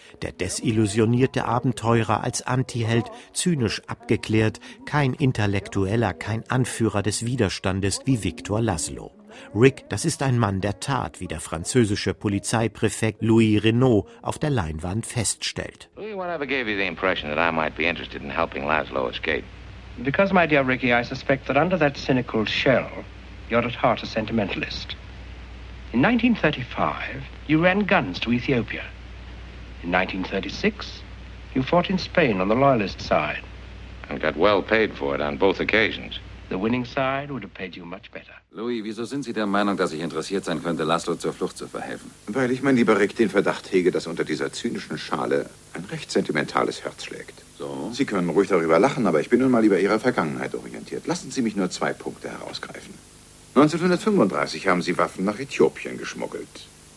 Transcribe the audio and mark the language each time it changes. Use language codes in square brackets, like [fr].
[de] Der desillusionierte Abenteurer als Antiheld, zynisch abgeklärt, kein Intellektueller, kein Anführer des Widerstandes wie Victor Laszlo. Rick, das ist ein Mann der Tat, wie der französische Polizeipräfekt Louis Renault auf der Leinwand feststellt. [en] Louis, whatever gave you the impression that I might be interested in helping Laszlo escape? Because, my dear Ricky, I suspect that under that cynical shell, you're at heart a sentimentalist. In 1935, you ran guns to Ethiopia. In 1936, you fought in Spain on the loyalist side. And got well paid for it on both occasions. The winning side would have paid you much better. [de] Louis, wieso sind Sie der Meinung, dass ich interessiert sein könnte, Laszlo zur Flucht zu verhelfen? Weil ich, mein lieber Rick, den Verdacht hege, dass unter dieser zynischen Schale ein recht sentimentales Herz schlägt. So? Sie können ruhig darüber lachen, aber ich bin nun mal über Ihre Vergangenheit orientiert. Lassen Sie mich nur 2 Punkte herausgreifen. 1935 haben Sie Waffen nach Äthiopien geschmuggelt.